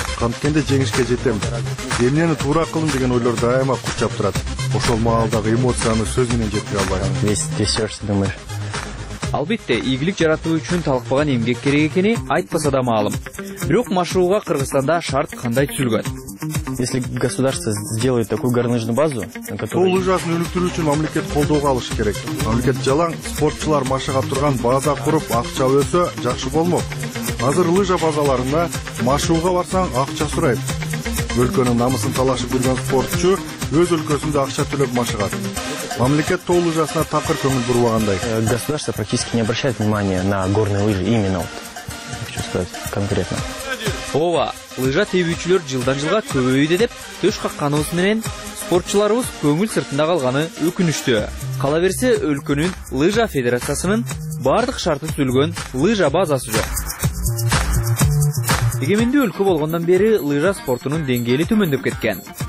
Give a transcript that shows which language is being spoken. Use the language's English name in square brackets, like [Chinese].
[Kyrgyz] Канткенде жеңишке жетем. Эмнени туура кылдым деген ойлор дайыма курчап турат. Ошол маалдагы эмоцияны сөз менен жеткире албайм. Албетте, ийгилик жаратуу үчүн талкпаган эмгек керек экени айтпаса да маалым. Бирок машыгууга Кыргызстанда шарт кандай түзүлгөн? [Russian] Если государство сделает такую горнолыжную базу, на которой... [Kyrgyz] Лыжасын өнүктүрүү үчүн мамлекет колдоого алышы керек. Мамлекет жалаң спортчулар машыга турган база куруп, акча өсө жакшы болмок. Азыр лыжа базаларында машыгууга барсаң акча сурайт. Өлкөнүн намысын талашып жүргөн спортчу өз өлкөсүндө акча төлөп машыгат. Мамлекет тоо лыжасына такыр көңүл бурбагандай. [Russian] Государство практически не обращает внимания на горные лыжи именно вот. Хочу сказать конкретно. [Kyrgyz] Ооба, лыжа тебүүчүлөр жылдан жылга көбөйүүдө деп төш какканыбыз менен спортчуларыбыз көңүл сыртында калганы өкүнүчтүү. Кала берсе өлкөнүн лыжа федерациясынын бардык шарты түзүлгөн лыжа базасы жок. Эгемендүү өлкө болгондон бери лыжа спортунун деңгээли төмөндөп кеткен.